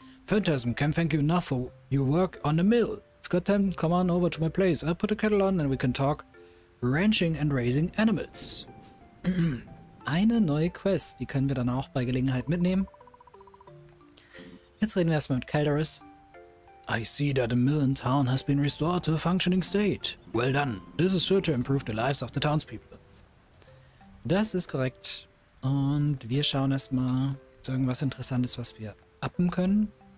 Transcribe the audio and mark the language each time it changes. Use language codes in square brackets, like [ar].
[en] Phantasm, can't thank you enough for your work on the mill. It's good time, come on over to my place. I'll put the kettle on and we can talk ranching and raising animals. [de] Eine neue Quest, die können wir dann auch bei Gelegenheit mitnehmen. Jetzt reden wir erstmal mit Calderus. [en] I see that the mill in town has been restored to a functioning state. Well done. This is sure to improve the lives of the townspeople. [de] Das ist korrekt. Und wir schauen erstmal zu irgendwas Interessantes, was wir uppen können.